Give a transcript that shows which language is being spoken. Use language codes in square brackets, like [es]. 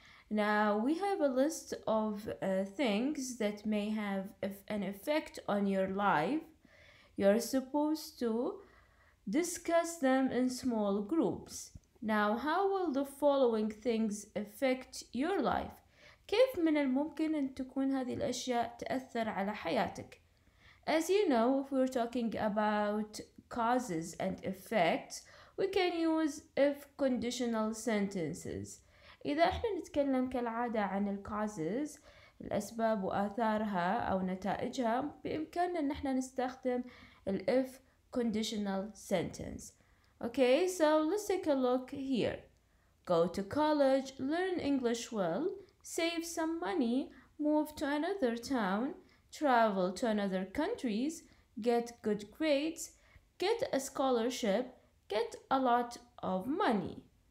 [en] Now we have a list of things that may have an effect on your life. You're supposed to discuss them in small groups. Now, how will the following things affect your life? [ar] كيف من الممكن أن تكون هذه الأشياء تأثر على حياتك? [en] As you know, if we're talking about causes and effects, we can use if conditional sentences. [ar] إذا إحنا نتكلم كالعادة عن الكازز, الأسباب وآثارها أو نتائجها, بإمكاننا أن إحنا نستخدم الإف [en] conditional sentence. Okay, so let's take a look here. Go to college, learn English well, save some money, move to another town, travel to another countries, get good grades, get a scholarship, get a lot of money.